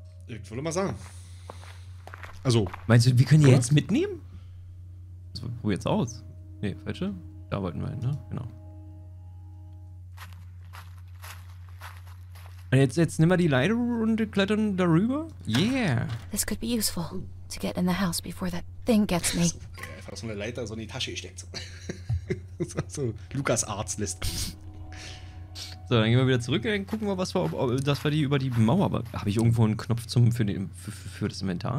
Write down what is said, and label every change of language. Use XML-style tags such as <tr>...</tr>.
<de>Ich würde mal sagen. Also. Meinst du, wir können die jetzt mitnehmen? Also, wo jetzt aus? Nee, falsche? Da wollten wir hin, ne? Genau. Und jetzt nimm mal die Leiter und klettern darüber? Yeah!</de> <en>This could be useful to get in the house before that thing gets me.</en> <de>Einfach so eine Leiter so in die Tasche gesteckt. So, Lukas Arzt lässt. So, dann gehen wir wieder zurück und gucken mal, was war, das war die über die Mauer. Aber habe ich irgendwo einen Knopf für das Inventar?</de>